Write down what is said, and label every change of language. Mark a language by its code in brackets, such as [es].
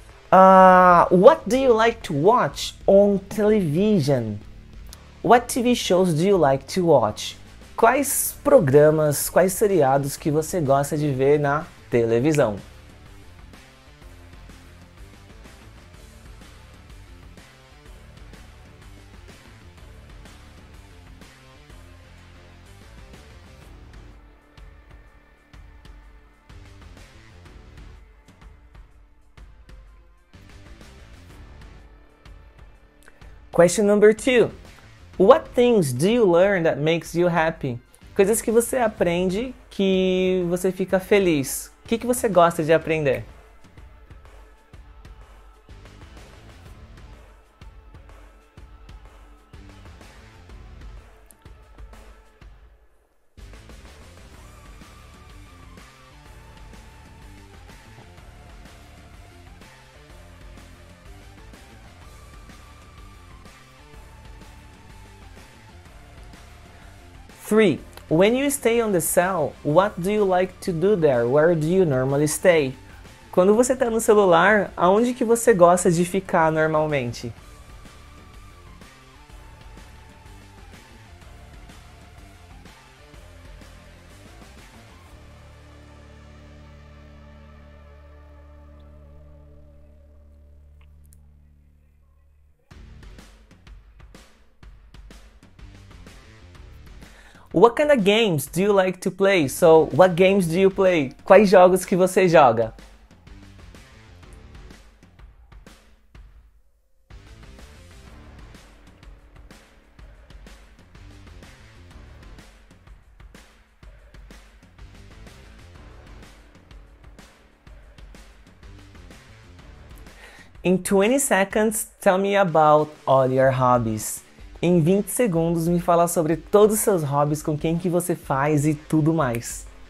[en] What do you like to watch on television? What TV shows do you like to watch? [pt] Quais programas, quais seriados que você gosta de ver na televisão? [en] Question number two. What things do you learn that makes you happy? [pt] Coisas que você aprende que você fica feliz. O que que você gosta de aprender? [en] Three. When you stay on the cell, what do you like to do there? Where do you normally stay? [pt] Quando você está no celular, aonde que você gosta de ficar normalmente? [en] What kind of games do you like to play? So, what games do you play? [pt] Quais jogos que você joga? [en] In 20 seconds, tell me about all your hobbies. [pt] Em 20 segundos, me fala sobre todos os seus hobbies, com quem que você faz e tudo mais.